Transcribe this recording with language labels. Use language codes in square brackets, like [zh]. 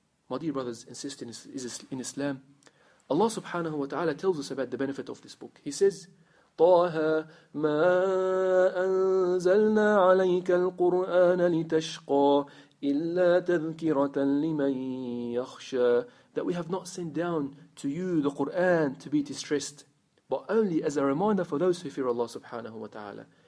[en] My dear brothers and sisters in Islam, Allah subhanahu wa ta'ala tells us about the benefit of this book. He says, [ar] طه ما أنزلنا عليك القرآن لتشقى إلا تذكرة لمن يخشى. [en] That we have not sent down to you the Quran to be distressed, but only as a reminder for those who fear Allah subhanahu wa ta'ala.